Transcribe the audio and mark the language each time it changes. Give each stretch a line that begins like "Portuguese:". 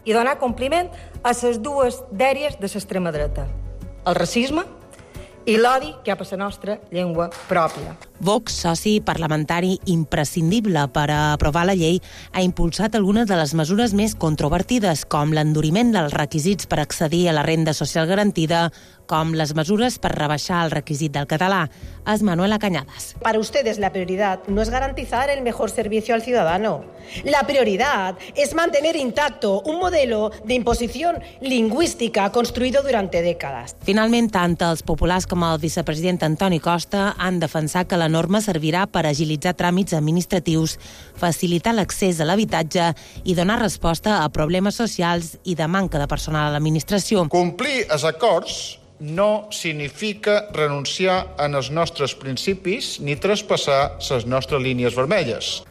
Catalan: I donar compliment a les dues dèries de l'extrema dreta, el racisme i l'odi que ha per la nostra llengua pròpia. Vox, soci parlamentari imprescindible per aprovar la llei, ha impulsat algunes de les mesures més controvertides, com l'enduriment dels requisits per accedir a la renda social garantida, com les mesures per rebaixar el requisit del català. És Manuela Cañadas.
Spanish: Para ustedes la prioridad no es garantizar el mejor servicio al ciudadano. La prioridad es mantener intacto un modelo de imposición lingüística construido durante décadas.
Catalan: Finalment, tant els populars com el vicepresident Antoni Costa han defensat que la norma servirà per agilitzar tràmits administratius, facilitar l'accés a l'habitatge i donar resposta a problemes socials i de manca de personal a l'administració. Complir els acords no significa renunciar en els nostres principis ni traspassar les nostres línies vermelles.